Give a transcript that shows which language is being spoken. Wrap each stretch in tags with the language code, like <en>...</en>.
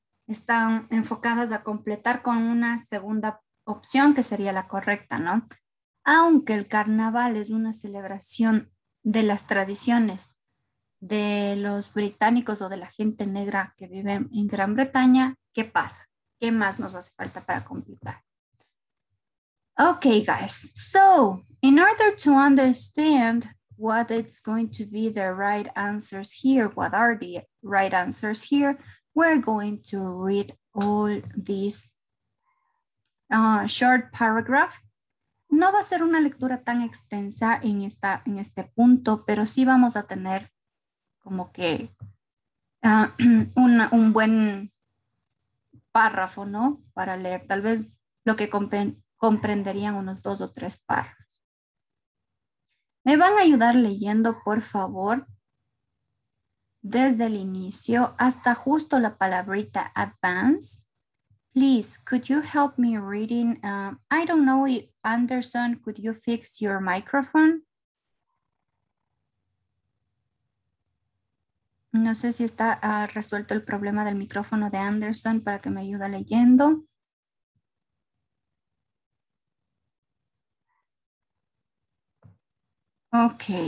<es>están enfocadas a completar con una segunda opción que sería la correcta, ¿no? Aunque el carnaval es una celebración de las tradiciones de los británicos o de la gente negra que vive en Gran Bretaña, ¿qué pasa? ¿Qué más nos hace falta para completar?</es> <en>Okay, guys. So, in order to understand what it's going to be the right answers here, what are the right answers here, we're going to read all these short paragraph.</en> <es>No va a ser una lectura tan extensa en este punto, pero sí vamos a tener como que un buen párrafo, ¿no? Para leer, tal vez lo que comprenderían unos dos o tres párrafos. ¿Me van a ayudar leyendo, por favor? Desde el inicio hasta justo la palabrita advance.</es> <en>Please, could you help me reading? I don't know if Anderson, could you fix your microphone?</en> <es>No sé si está resuelto el problema del micrófono de Anderson para que me ayude leyendo.</es> <en>Ok.</en>